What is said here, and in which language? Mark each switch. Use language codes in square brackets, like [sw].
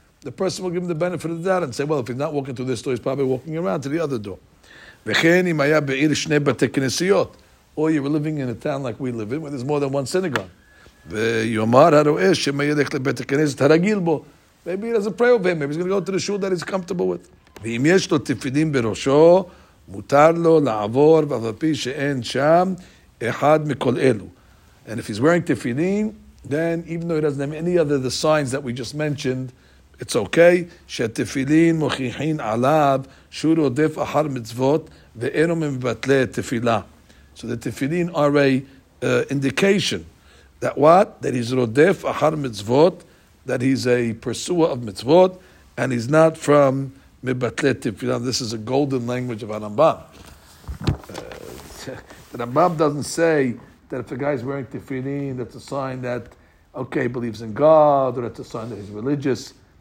[en] The person will give him the benefit of the doubt and say, well, if he's not walking through this door, he's probably walking around to the other door. Or you're living in a town like we live in, where there's more than one synagogue. Maybe he doesn't pray over him. Maybe he's going to go to the shul that he's comfortable with. [he] ואם יש לו תפילין בראשו, מותר לו לעבור ולפי שאין שם אחד מכל אלו. [en] And if he's wearing tefillin, then even though he doesn't have any other the signs that we just mentioned, it's okay. [he] שהתפילין מוכיחין עליו שהוא רודף אחר מצוות ואינו מבטלי תפילה. [en] So the tefillin are a indication that what? That he's [he] רודף אחר מצוות, [en] that he's a pursuer of mitzvot, and he's not from... This is a golden language of Rambam. Rambam doesn't say that if a guy's wearing tefillin, that's a sign that, okay, he believes in God, or that's a sign that he's religious.